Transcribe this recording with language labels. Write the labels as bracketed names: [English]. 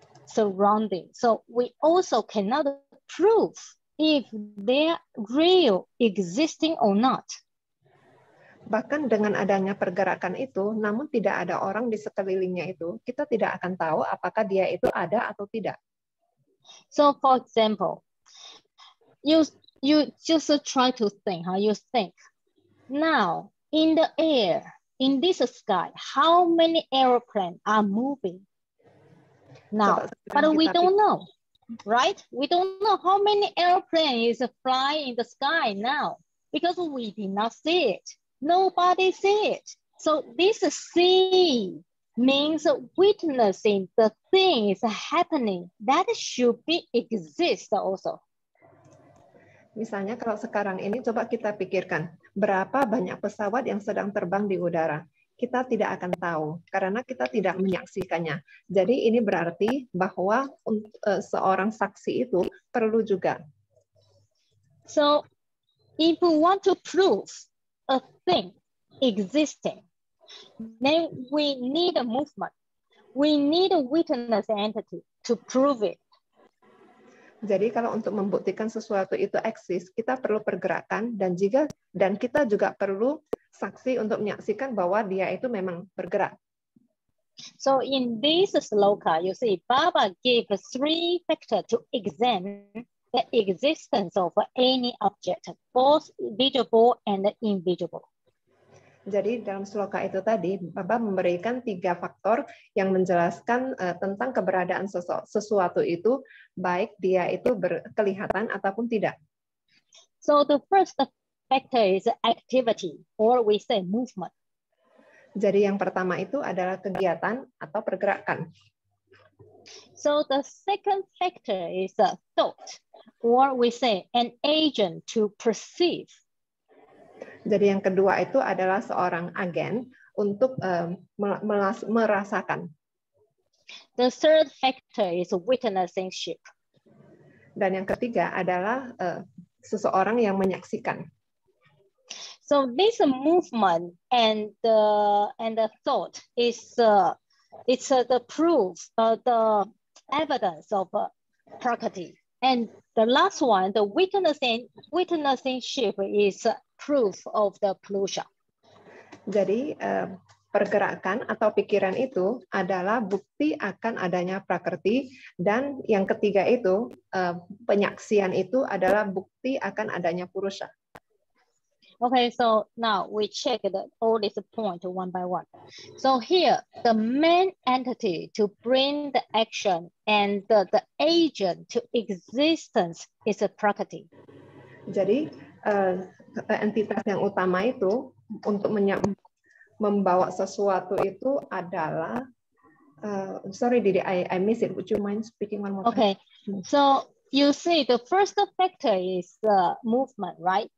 [English] surrounding. So we also cannot prove if they're real existing or not. [Indonesian] Bahkan dengan adanya pergerakan itu, namun tidak ada orang di sekelilingnya itu, kita tidak akan tahu apakah dia itu ada atau tidak. [English] So for example, you just try to think, how you think. Now, in the air, in this sky, how many airplanes are moving? Now, but we don't know, right? We don't know how many airplanes is flying in the sky now because we did not see it. Nobody see it. So this see means witnessing the thing is happening. That should be exist also. [Indonesian] Misalnya kalau sekarang ini coba kita pikirkan berapa banyak pesawat yang sedang terbang di udara. Kita tidak akan tahu karena kita tidak menyaksikannya. Jadi ini berarti bahwa seorang saksi itu perlu juga. [English] So if you want to prove a thing existing, then we need a movement. We need a witness entity to prove it. [Indonesian] Jadi kalau untuk membuktikan sesuatu itu eksis, kita perlu pergerakan dan kita juga perlu saksi untuk menyaksikan bahwa dia itu memang bergerak. [English] So in this sloka, you see, Baba gave three factors to examine the existence of any object, both visible and invisible. [Indonesian] Jadi dalam sloka itu tadi, Baba memberikan tiga faktor yang menjelaskan tentang keberadaan sesuatu itu, baik dia itu kelihatan ataupun tidak. [English] So the first factor is activity, or we say movement. [Indonesian] Jadi yang pertama itu adalah kegiatan atau pergerakan. [English] So the second factor is a thought, or we say an agent to perceive. [Indonesian] Jadi yang kedua itu adalah seorang agen untuk merasakan. [English] The third factor is witnessingship. [Indonesian] Dan yang ketiga adalah seseorang yang menyaksikan. [English] So this movement and the thought is the proof, the evidence of property. And the last one, the witnessingship is proof of the pollution. [Indonesian] Jadi pergerakan atau pikiran itu adalah bukti akan adanya prakerti, dan yang ketiga itu penyaksian itu adalah bukti akan adanya purusha. [English] Okay, so now we check all these points one by one. So here, the main entity to bring the action and the agent to existence is a prakerti. [Indonesian] Jadi entitas yang utama itu untuk membawa sesuatu itu adalah [English] sorry Didi, I miss it. Would you mind speaking one more time? Okay. So you see the first factor is movement, right?